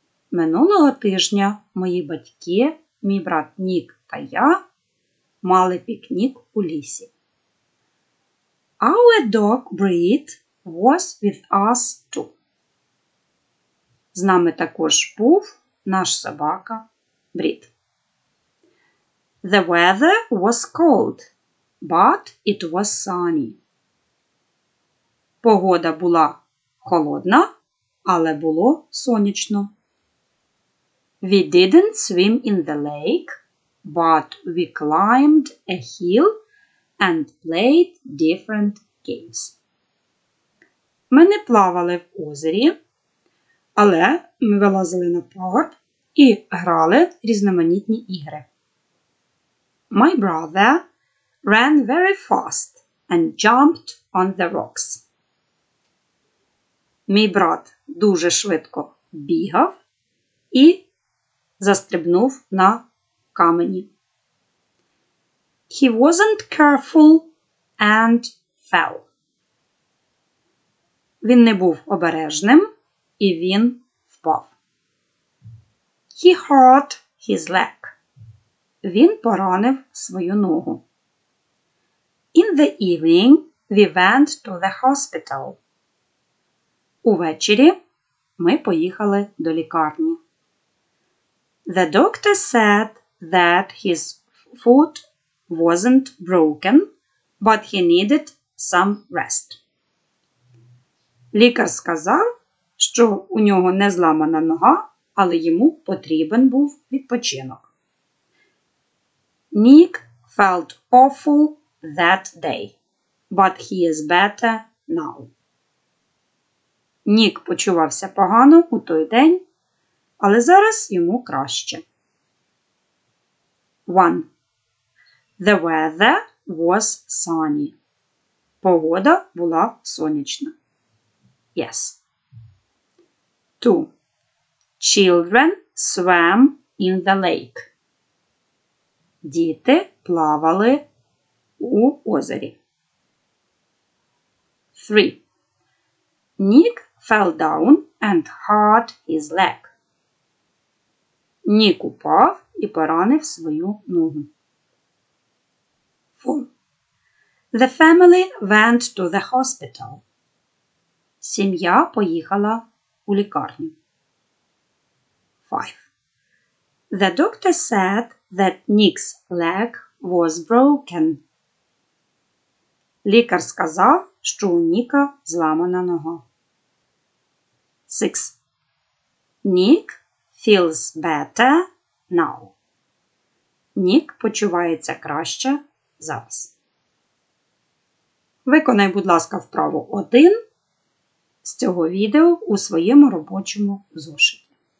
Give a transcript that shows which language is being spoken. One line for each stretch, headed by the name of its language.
Ukrainian: Минулого тижня мої батьки, мій брат Нік та я мали пікнік у лісі.
English: Our dog Brit was with us too.
Ukrainian: З нами також був наш собака Брит.
English: The weather was cold, but it was sunny.
Ukrainian: Погода була холодна, але було сонячно.
English: We didn't swim in the lake, but we climbed a hill and played different games.
Ukrainian: Ми не плавали в озері, але ми вилазили на пагорб і грали різноманітні ігри.
English: My brother ran very fast and jumped on the rocks.
Ukrainian: Мій брат дуже швидко бігав і застрибнув на камені.
English: He wasn't careful and fell.
Ukrainian: Він не був обережним і він впав.
English: He hurt his leg.
Ukrainian: Він поранив свою ногу.
English: In the evening, we went to the hospital.
Ukrainian: Увечері ми поїхали до лікарні.
English: The doctor said that his foot wasn't broken, but he needed some rest.
Ukrainian: Лікар сказав, що у нього не зламана нога, але йому потрібен був відпочинок.
English: Nick felt awful that day, but he is better now.
Ukrainian: Нік почувався погано у той день, але зараз йому краще.
English: 1. The weather was sunny.
Ukrainian: Погода була сонячна.
English: Yes.
Ukrainian: 2.
English: Children swam in the lake.
Ukrainian: Діти плавали у озері.
English: 3. Нік fell down and hurt his leg.
Ukrainian: Нік упав і поранив свою ногу.
English: 4. The family went to the hospital.
Ukrainian: Сім'я поїхала у лікарню. 5.
English: The doctor said that Nick's leg was broken.
Ukrainian: Лікар сказав, що у Ніка зламана нога.
English: 6. Nick feels better now.
Ukrainian: Нік почувається краще зараз. Виконай, будь ласка, вправу 1 з цього відео у своєму робочому зошиті.